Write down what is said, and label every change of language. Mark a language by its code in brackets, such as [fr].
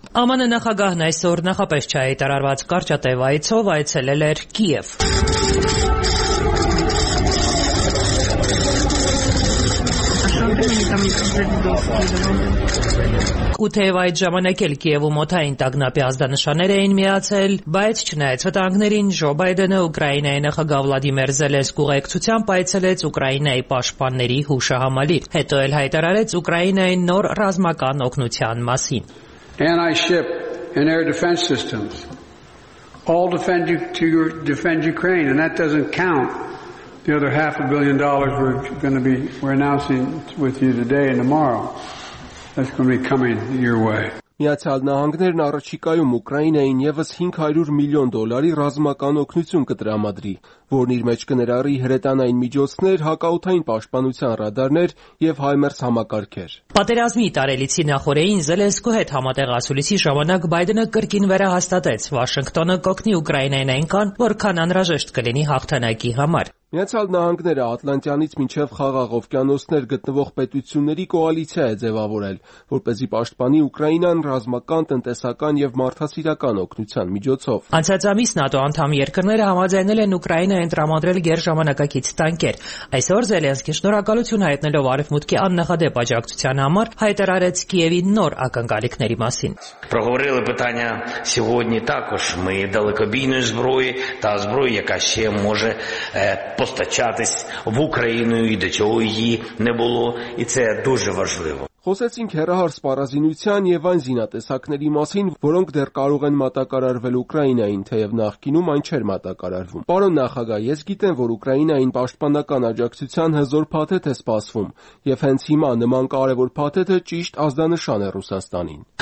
[hy] ԱՄՆ նախագահն այսօր նախապես չհայտարարված կարճատև այցով այցելել էր Կիև։ Ութև այդ ժամանակ էլ Կիևում օթային տագնապի ազդանշաններ էին միացել, բայց չնայած վտանգներին Ջո Բայդենը Ուկրաինայի նախագահ Վլադիմիր Զելենսկու ուղեկցությամբ այցելեց Ուկրաինայի պաշտպանների հուշահամալիր, հետո էլ հայտարարեց Ուկրաինայի նոր ռազմական օգնության մասին. [en] Anti ship and air defense systems all defend you to your defend Ukraine and that doesn't count the other half a billion dollars we're announcing with you today and tomorrow. That's going to be coming your way. [hy] Միացյալ Նահանգներն առաջիկայում Ուկրաինային ևս $500 միլիոն ռազմական օգնություն կտրամադրի, որն իր մեջ կներառի հրետանային միջոցներ, հակաօդային պաշտպանության ռադարներ և հայմերս համակարգեր։ Պատերազմի տարելիցի նախորեին Զելենսկու հետ համատեղ ասուլիսի ժամանակ Բայդենը կրկին վերահաստատեց, Վաշինգտոնը կօգնի Ուկրաինային այնքան, որքան անհրաժեշտ կլինի հաղթանակի համար։ Միացյալ Նահանգները Ատլանտյանից մինչև խաղաղ օվկիանոսներ գտնվող պետությունների կոալիցիա է ձևավորել, որպեսզի պաշտպանի Ուկրաինան ռազմական, տնտեսական և մարդասիրական օգնության միջոցով։ Անցած ամիս ՆԱՏՕ անդամ երկրները համաձայնել են Ուկրաինայի ընտրամադրել գերժամանակակից տանկեր։ Այսօր Զելենսկի շնորհակալություն հայտնելով արևմուտքի աննախադեպ աջակցության համար հայտարարեց Կիևի նոր ակնկալիքների մասին։ [uk] Проговорили питання сьогодні також ми далекобійної зброї та зброї, яка ще може постачатись в Україну і до чого її не було, і це дуже важливо. [hy] Խոսեցինք հեռահար սպառազինության և այն զինատեսակների մասին, որոնք դեռ կարող են մատակարարվել Ուկրաինային, թեև նախկինում այն չէր մատակարարվում։ Պարոն նախագահ, ես գիտեմ, որ Ուկրաինային պաշտպանական աջակցության հզոր փաթեթ է սպասվում, և հենց հիմա նման կարևոր փաթեթը ճիշտ ազդանշան է Ռուսաստանին։